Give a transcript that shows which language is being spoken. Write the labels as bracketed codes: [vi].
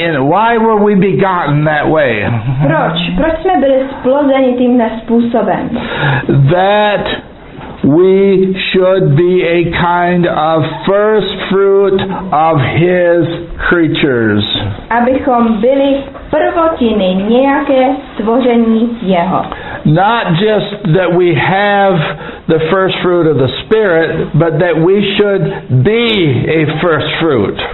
[en] Why were we begotten that way? [cs] Proč jsme byli splozeni tímhle způsobem? [en] That we should be a kind of first fruit of his creatures. [cs] Abychom byli prvotiny nějaké stvoření jeho. [en] Not just that we have the first fruit of the Spirit, but that we should be a first fruit.